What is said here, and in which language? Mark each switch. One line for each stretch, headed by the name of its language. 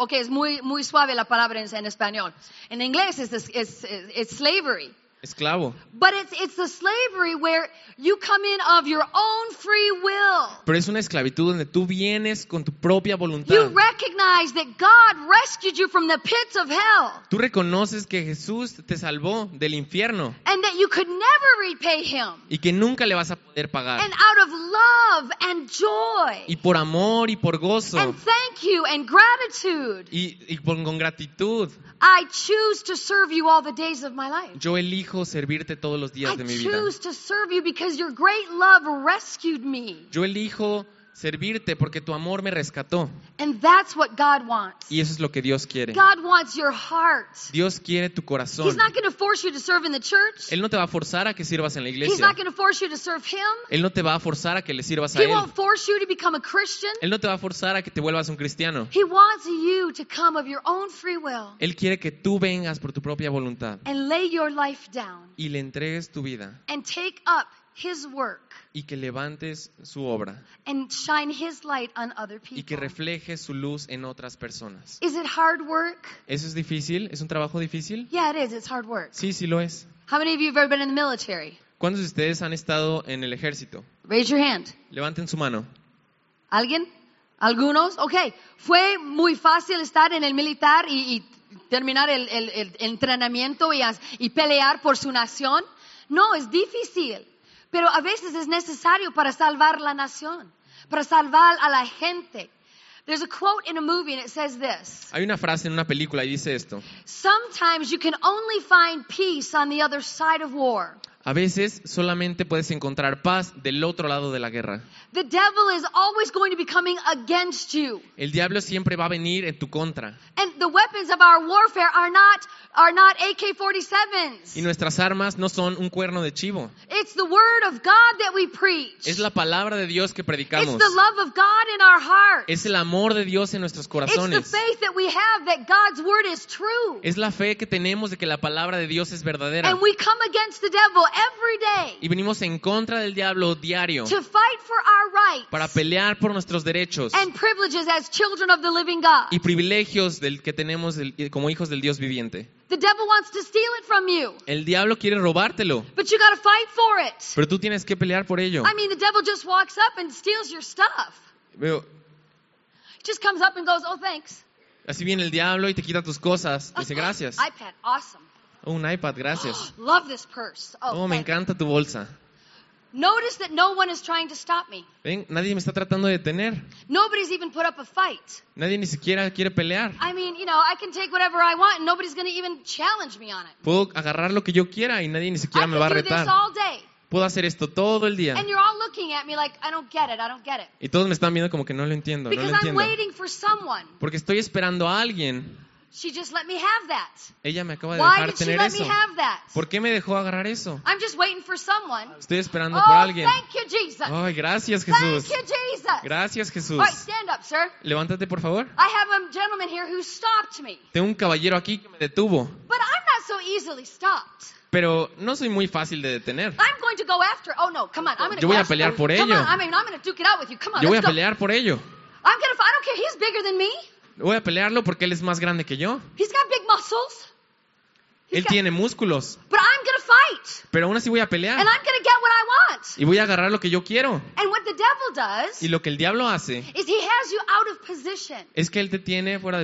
Spanish: Okay, es muy, muy suave la palabra en español. En inglés es slavery. Esclavo.
English: But it's a slavery where you come in of your own free will.
Spanish: Pero es una esclavitud donde tú vienes con tu propia voluntad.
English: You recognize that God rescued you from the pits of hell.
Spanish: Tú reconoces que Jesús te salvó del infierno.
English: And that you could never repay him.
Spanish: Y que nunca le vas a poder pagar.
English: And out of love and joy.
Spanish: Y por amor y por gozo.
English: And thank you and gratitude.
Spanish: Y con gratitud.
English: I choose to serve you all the days of my life.
Spanish: Yo elijo servirte todos los días de mi vida.
English: I choose to serve you because your great love rescued me.
Spanish: Yo elijo servirte porque tu amor me rescató.
English: And that's what God wants.
Spanish: Y eso es lo que Dios quiere.
English: God wants your heart.
Spanish: Dios quiere tu corazón.
English: He's not going to force you to serve in the church.
Spanish: Él no te va a forzar a que sirvas en la iglesia.
English: He's not going to force you to serve him.
Spanish: Él no te va a forzar a que le sirvas a él.
English: He won't force you to become a Christian.
Spanish: Él no te va a forzar a que te vuelvas un cristiano.
English: He wants you to come of your own free will.
Spanish: Él quiere que tú vengas por tu propia voluntad.
English: And lay your life down.
Spanish: Y le entregues tu vida.
English: And take up His work.
Spanish: Y que levantes su obra.
English: And shine His light on other people.
Spanish: Y que refleje su luz en otras personas.
English: Is it hard work?
Spanish: ¿Eso es difícil? ¿Es un trabajo difícil?
English: Yeah, it is. It's hard work.
Spanish: Sí, sí lo es.
English: How many of you have ever been in the military?
Spanish: ¿Cuántos de ustedes han estado en el ejército?
English: Raise your hand.
Spanish: Levanten su mano. ¿Alguien? ¿Algunos? Okay. ¿Fue muy fácil estar en el militar y terminar el entrenamiento y pelear por su nación? No, es difícil. Pero a veces es necesario para salvar la nación, para salvar a la gente.
English: There's a quote in a movie and it says this.
Spanish: Hay una frase en una película y dice esto.
English: Sometimes you can only find peace on the other side of war.
Spanish: A veces solamente puedes encontrar paz del otro lado de la guerra.
English: The devil is always going to be coming against you.
Spanish: El diablo siempre va a venir en tu contra.
English: And the weapons of our warfare are not AK-47s.
Spanish: Y nuestras armas no son un cuerno de chivo.
English: It's the word of God that we preach.
Spanish: Es la palabra de Dios que predicamos.
English: It's the love of God in our hearts.
Spanish: Es el amor de Dios en nuestros corazones.
English: It's the faith that we have that God's word is true.
Spanish: Es la fe que tenemos de que la palabra de Dios es verdadera.
English: And we come against the devil every day.
Spanish: Y venimos en contra del diablo diario.
English: To fight for our rights.
Spanish: Para pelear por nuestros derechos.
English: And privileges as children of the living God.
Spanish: Y privilegios del que tenemos como hijos del Dios viviente.
English: The devil wants to steal it from you.
Spanish: El diablo quiere robártelo.
English: But you got to fight for it.
Spanish: Pero tú tienes que pelear por ello.
English: I mean, the devil just walks up and steals your stuff.
Spanish: Pero,
English: just comes up and goes, "Oh, thanks."
Spanish: Así viene el diablo y te quita tus cosas. Dice, okay. Gracias.
English: iPad, awesome.
Spanish: Oh, un iPad, gracias.
English: Love this purse. Oh,
Spanish: me encanta tu bolsa.
English: Notice that no one is trying to stop me.
Spanish: Ven, nadie me está tratando de detener.
English: Nobody's even put up a fight.
Spanish: Nadie ni siquiera quiere pelear.
English: I mean, you know, I can take whatever I want and nobody's going to even challenge me on it.
Spanish: Puedo agarrar lo que yo quiera y nadie ni siquiera me va a retar.
English: This all day.
Spanish: Puedo hacer esto todo el día.
English: And you're all looking at me like I don't get it. I don't get it.
Spanish: Y todos me están viendo como que no lo entiendo,
English: Because
Spanish: no lo entiendo.
English: I'm waiting for someone.
Spanish: Porque estoy esperando a alguien.
English: She just let me have that.
Spanish: Ella me acaba de
English: Why
Spanish: dejar tener eso.
English: Me have that?
Spanish: ¿Por qué me dejó agarrar eso?
English: I'm just waiting for someone.
Spanish: Estoy esperando oh, por alguien.
English: Thank you, Jesus.
Spanish: Oh, gracias, Jesús.
English: Thank you, Jesus.
Spanish: Gracias, Jesús.
English: All right, stand up, sir.
Spanish: Levántate, por favor.
English: I have a gentleman here who stopped me.
Spanish: Tengo un caballero aquí que me detuvo.
English: But I'm not so easily stopped.
Spanish: Pero no soy muy fácil de detener.
English: I'm going to go after. Oh no, come on. I'm
Spanish: Yo voy a pelear por ello.
English: Come on, I mean, I'm going to duke it out with you. Come on.
Spanish: Yo voy
English: let's
Spanish: a pelear
English: go.
Spanish: Por ello.
English: I'm going to I don't care. He's bigger than me.
Spanish: Voy a pelearlo porque él es más grande que yo.
English: He's got big muscles.
Spanish: Él tiene músculos.
English: But I'm gonna fight.
Spanish: Pero aún así voy a pelear.
English: And I'm gonna get what I want.
Spanish: Y voy a agarrar lo que yo quiero.
English: And what the devil does
Spanish: y lo que el diablo hace
English: is he has you out of position.
Spanish: Es que él te tiene fuera de